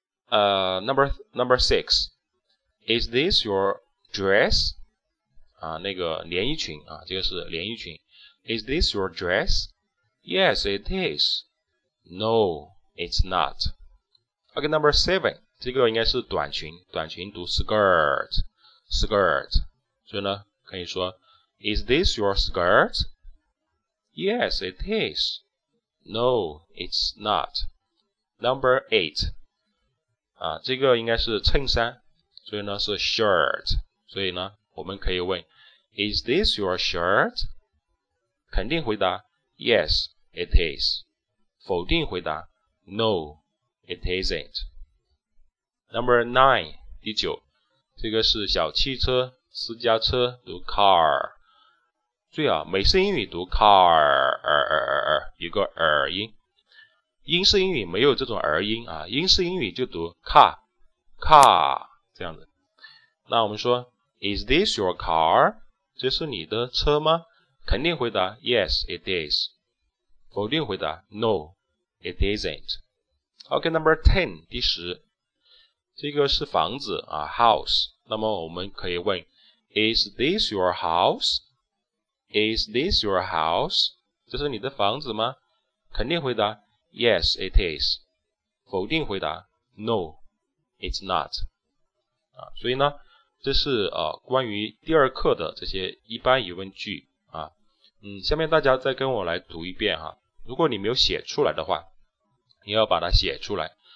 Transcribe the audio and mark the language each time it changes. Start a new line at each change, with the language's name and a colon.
English: Number six, is this your dress?
Chinese: 那个连衣裙啊，这个是连衣裙。
English: Is this your dress? Yes, it is. No, it's not. Okay, number seven,
Chinese: 这个应该是短裙，短裙读 skirt, skirt. 所以呢，可以说
English: Is this your skirt? Yes, it is. No, it's not. Number eight.
Chinese: 这个应该是衬衫，所以呢是 shirt, 所以呢我们可以问
English: Is this your shirt?
Chinese: 肯定回答
English: Yes, it is.
Chinese: 否定回答
English: No, it isn't. Number nine,
Chinese: 第九，这个是小汽车，私家车读 car, 注意啊，美式英语读 car, 一个音，英式英语没有这种儿音啊，英式英语就读 car, car, 这样子。那我们说
English: Is this your car?
Chinese: 这是你的车吗？肯定回答
English: Yes, it is.
Chinese: 否定回答
English: No, it isn't. OK, number 10,
Chinese: 第十，这个是房子啊 house, 那么我们可以问
English: Is this your house? Is this your house?
Chinese: 这是你的房子吗？肯定回答
English: Yes, it is.
Chinese: 否定回答
English: No, it's not.
Chinese: 所以呢这是关于第二课的这些一般疑问句啊。下面大家再跟我来读一遍啊。如果你没有写出来的话，你要把它写出来。